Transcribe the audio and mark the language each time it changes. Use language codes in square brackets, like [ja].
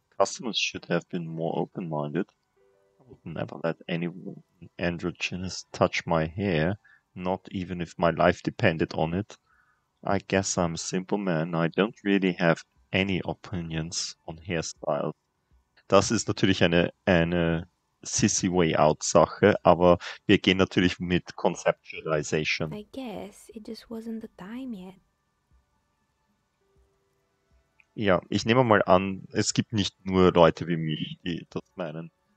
[en] Customers should have been more open-minded. Never let any androgynous touch my hair, not even if my life depended on it. I guess I'm a simple man. I don't really have any opinions on hairstyles. [de] Das ist natürlich eine [en] sissy way out [de] Sache, aber wir gehen natürlich mit conceptualization. [en] I guess it just wasn't the time yet. [de] Ja, ich nehme mal an, es gibt nicht nur Leute wie mich, die das meinen.